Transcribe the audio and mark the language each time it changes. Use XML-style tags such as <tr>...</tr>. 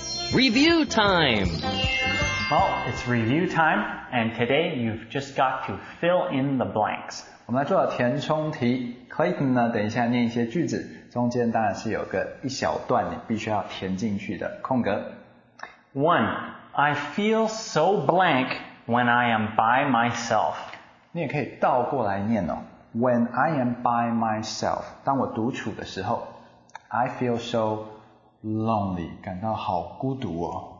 <en>Review time! Well, it's review time, and today you've just got to fill in the blanks.</en> <zh>我们来做了填充题。Clayton 呢，等一下念一些句子。中间当然是有个一小段你必须要填进去的空格。</zh> <en>One, I feel so blank when I am by myself.</en> <zh>你也可以倒过来念哦。</zh> <en>When I am by myself,</en> <zh>当我独处的时候</zh> <en>I feel so lonely,</en> <zh>感到好孤独哦。</zh>